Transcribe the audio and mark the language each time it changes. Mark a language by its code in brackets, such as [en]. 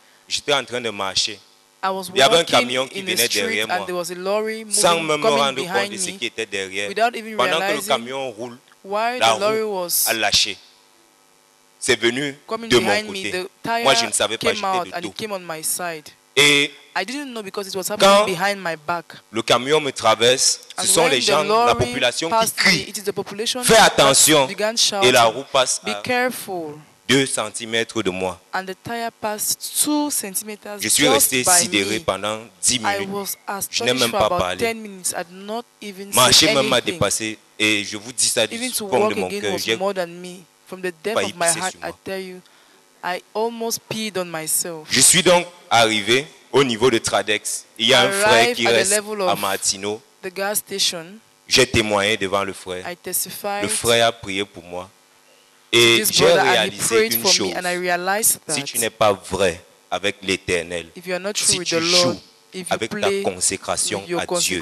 [fr] j'étais en train de marcher. Il y avait un camion qui venait derrière moi. Sans même me rendre compte de ce qui était derrière. Pendant que le camion roule, la roue a lâché. C'est venu de mon côté. Moi, je ne savais pas, j'étais de dos. Et [en] I didn't know because it was happening behind my back. [fr] Le camion me traverse, ce sont les gens, la population qui crie, fais attention, et la roue passe à 2 cm de moi. [en] And the tire passed 2 cm. [fr] Je suis resté sidéré pendant 10 minutes. Je n'ai même pas parlé. Marcher même m'a dépassé, et je vous dis ça du fond de mon cœur. [en] Even to walk again was more than me. From the depth of my heart, I tell you, I almost peed on myself. [fr] Je suis donc arrivé au niveau de Tradex. Il y a un frère qui reste à Martino. [en] The gas station. [fr] J'ai témoigné devant le frère. [en] I testified. [fr] Le frère a prié pour moi. Et j'ai réalisé une chose. [en] And I realized that [fr] si tu n'es pas vrai avec l'Éternel, si tu joues avec ta consécration à Dieu,